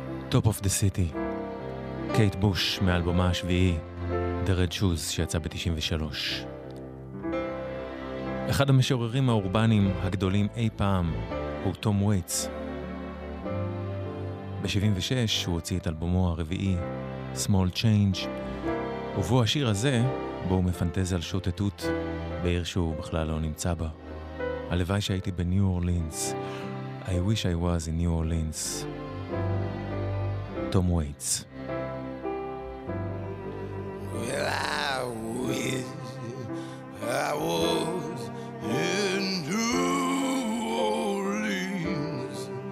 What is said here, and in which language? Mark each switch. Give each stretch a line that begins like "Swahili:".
Hebrew: Top of the City, קייט בוש מאלבומה השביעי The Red Shoes שיצא ב-93. אחד המשוררים האורבנים הגדולים אי פעם הוא טום וייטס. ב-76 הוא הוציא את אלבומו הרביעי Small Change, ובו השיר הזה בו הוא מפנטז על שוטטות בעיר שהוא בכלל לא נמצא בה. הלוואי שהייתי בניו אורלינס.
English: I wish I was in New Orleans. Tom Waits. Well, I wish I was in New Orleans.